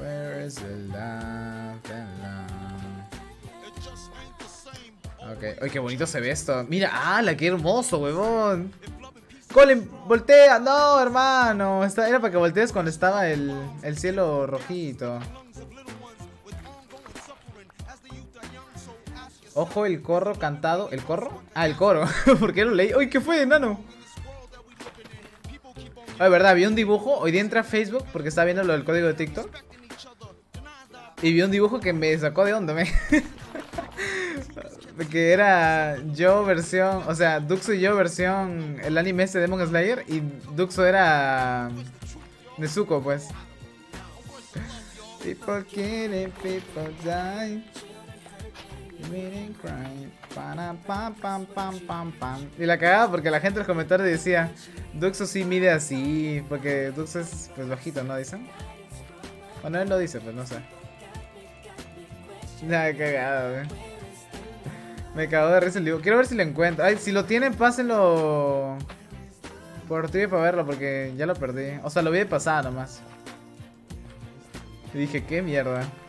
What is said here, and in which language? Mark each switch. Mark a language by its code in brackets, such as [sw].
[en] Where is the love and love? [es] Ok, uy, qué bonito se ve esto. Mira, ala, qué hermoso, huevón. Colin, voltea. No, hermano. Era para que voltees cuando estaba el cielo rojito. Ojo, el corro cantado. ¿El corro? Ah, el coro. ¿Por qué lo leí? Uy, ¿qué fue, enano? Ay, verdad, vi un dibujo. Hoy día entré a Facebook porque estaba viendo lo del código de TikTok. Y vi un dibujo que me sacó de onda, me. Que era yo versión, o sea, Duxo y yo versión el anime este Demon Slayer y Duxo era Nezuko, pues. [en] People killing, people dying, meeting crying, pam pam pam pam pam pam. [es] Y la cagaba porque la gente en los comentarios decía, Duxo sí mide así, porque Duxo es pues bajito, ¿no dicen? Bueno, él lo dice, pues no sé. Nada, cagado, ¿eh? Me cago de risa el dibujo. Quiero ver si lo encuentro. Ay, si lo tienen, pásenlo por Twitter para verlo, porque ya lo perdí. O sea, lo vi de pasada nomás. Y dije, qué mierda.